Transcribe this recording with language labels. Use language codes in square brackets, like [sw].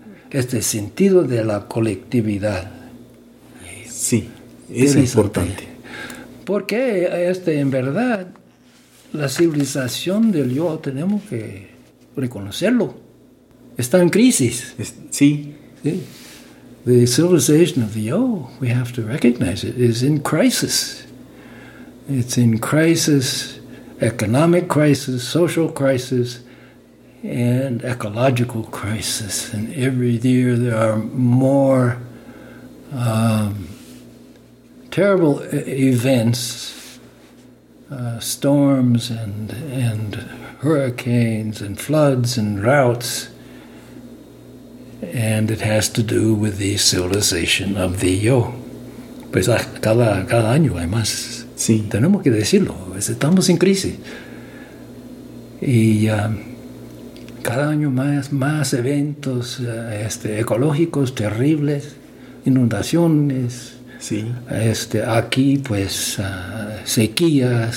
[es] este sentido de la colectividad. Sí, es importante. Porque en verdad la civilización del yo tenemos que reconocerlo. Está en crisis. Sí. Sí. [en] The civilization of the yo, we have to recognize it, is in crisis. It's in crisis, economic crisis, social crisis, and ecological crisis. And every year there are more terrible events, storms and hurricanes and floods and droughts, and it has to do with the civilization of the yo. [es] Pues cada año hay más. Sí. Tenemos que decirlo, estamos en crisis. Y cada año más eventos ecológicos terribles, inundaciones. Sí. Aquí, pues, sequías.